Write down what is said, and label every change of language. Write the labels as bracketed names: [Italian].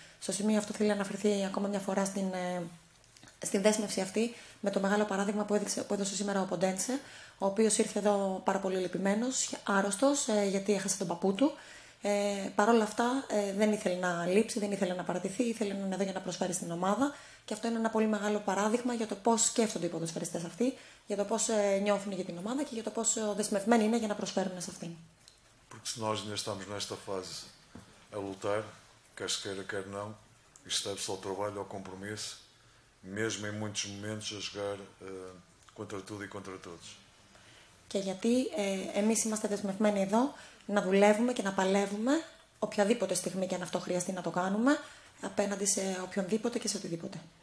[Greek] Στο σημείο αυτό θέλει να αναφερθεί ακόμα μια φορά στη δέσμευση αυτή, με το μεγάλο παράδειγμα που έδωσε σήμερα ο Ποντένσε, ο οποίος ήρθε εδώ πάρα πολύ λυπημένος, άρρωστος, γιατί έχασε τον παππού του. Παρόλα αυτά, δεν ήθελε να λείψει, δεν ήθελε να παρατηθεί, ήθελε να είναι εδώ για να προσφέρει στην ομάδα. Και αυτό είναι ένα πολύ μεγάλο παράδειγμα για το πώς σκέφτονται οι ποδοσφαιριστές αυτοί, για το πώς νιώθουν για την ομάδα και για το πόσο δεσμευμένοι είναι για να προσφέρουν σε αυτήν. [Portuguese] Porque nós ainda estamos nesta fase a lutar, quer se queira, quer não, isto deve-se ao trabalho, ao compromisso, mesmo em muitos momentos a jogar contra tudo e contra todos. [Greek] Και γιατί εμείς είμαστε δεσμευμένοι εδώ να δουλεύουμε και να παλεύουμε οποιαδήποτε στιγμή και αν αυτό χρειαστεί να το κάνουμε απέναντι σε οποιονδήποτε και σε οτιδήποτε.